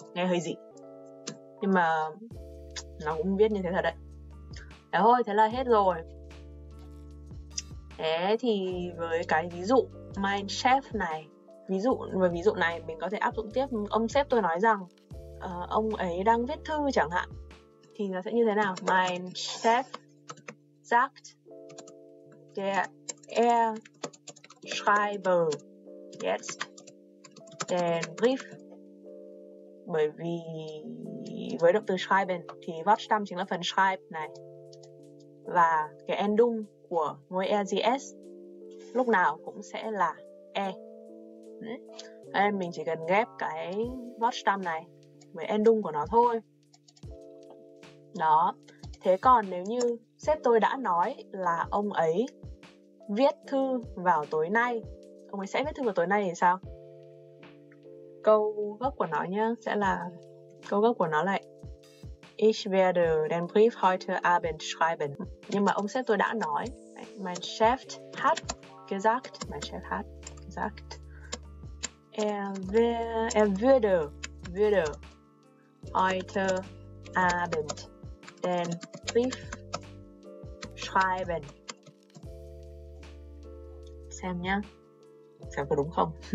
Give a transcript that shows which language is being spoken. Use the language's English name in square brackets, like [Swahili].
[Vietnamese] Nghe hơi dị nhưng mà nó cũng viết như thế thật đấy. Thế thôi, thế là hết rồi. Thế thì với cái ví dụ Mein Chef này, ví dụ với ví dụ này mình có thể áp dụng tiếp. Ông sếp tôi nói rằng ông ấy đang viết thư chẳng hạn, thì nó sẽ như thế nào? [German] Mein Chef sagt der schreibe jetzt den Brief. [Vietnamese] Bởi vì với động từ schreiben thì Wortstamm chính là phần schreiben này, và cái endung của ngôi ergs lúc nào cũng sẽ là e. Nên mình chỉ cần ghép cái Wortstamm này với endung của nó thôi. Đó. Thế còn nếu như sếp tôi đã nói là ông ấy viết thư vào tối nay, ông ấy sẽ viết thư vào tối nay thì sao? Câu gốc của nó nhá, sẽ là câu gốc của nó là [German] Ich werde den Brief heute Abend schreiben. [Vietnamese] Nhưng mà ông sếp tôi đã nói, [German] mein Chef hat gesagt, mein Chef hat gesagt er würde heute Abend den Brief schreiben. [Vietnamese] Xem nhá, xem có đúng không.